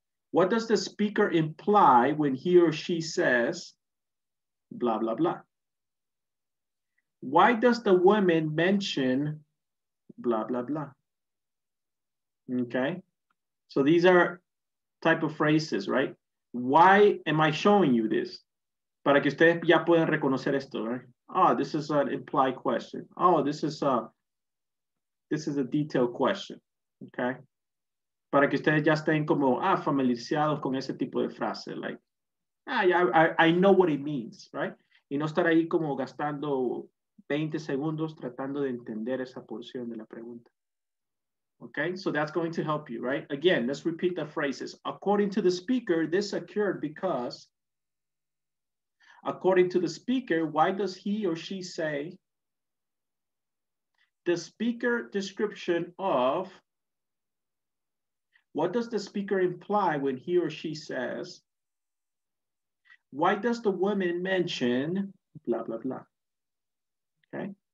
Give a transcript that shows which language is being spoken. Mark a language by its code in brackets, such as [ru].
[en] What does the speaker imply when he or she says, blah, blah, blah? Why does the woman mention, blah, blah, blah? Okay, so these are type of phrases, right? Why am I showing you this? [es] Para que ustedes ya puedan reconocer esto, right? [en] Oh, this is an implied question. Oh, this is a detailed question, okay? [es] Para que ustedes ya estén como familiarizados con ese tipo de frase, like, [en] I know what it means, [es] right? Y no estar ahí como gastando 20 segundos tratando de entender esa porción de la pregunta. [en] Okay, so that's going to help you, right? Again, let's repeat the phrases. According to the speaker, this occurred because, according to the speaker, why does he or she say, the speaker description of, what does the speaker imply when he or she says, why does the woman mention, blah, blah, blah. Okay.